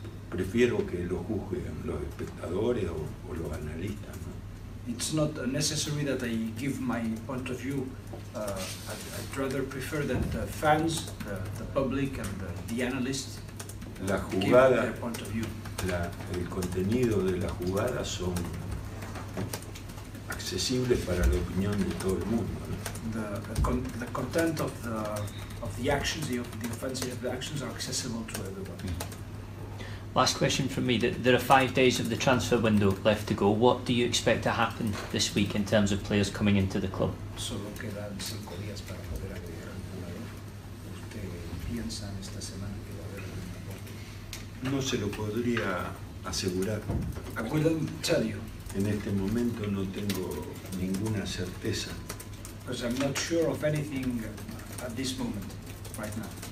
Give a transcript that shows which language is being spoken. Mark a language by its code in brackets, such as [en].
[es] Prefiero que lo juzguen los espectadores o los analistas, ¿no? [en] It's not necessary that I give my point of view. I'd rather prefer that the fans, the public, and the analysts [es] la jugada, [en] give their point of view. [es] El contenido de la jugada son accesibles para la opinión de todo el mundo, ¿no? [en] The content of the actions, the offensive actions, are accessible to everyone. Last question from me. There are 5 days of the transfer window left to go. What do you expect to happen this week in terms of players coming into the club? [es] Solo quedan 5 días para poder agregar un jugador. ¿Usted piensa en esta semana que va a haber un aporte? No se lo podría asegurar. [en] I wouldn't tell you. [es] En este momento no tengo ninguna certeza. [en] Because I'm not sure of anything at this moment, right now.